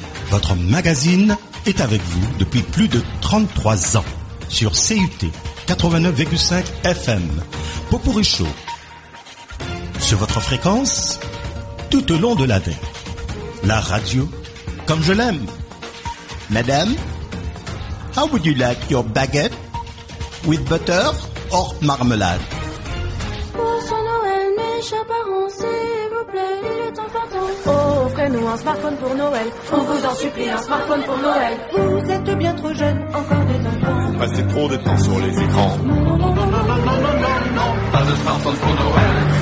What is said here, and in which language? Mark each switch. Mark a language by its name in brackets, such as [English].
[French] Votre magazine est avec vous depuis plus de 33 ans. Sur CUT 89,5 FM, Popourri Show, sur votre fréquence, tout au long de l'année, la radio, comme je l'aime. [English] Madame, how would you like your baguette, with butter or marmelade? [French] Pour son Noël, mes chers parents, s'il vous plaît, il est enfin temps, offrez-nous Offrez-nous un smartphone pour Noël. On vous en supplie, un smartphone pour Noël. Vous êtes bien trop jeune, encore des enfants. Passez trop de temps sur les écrans. Non, pas de smartphone pour Noël.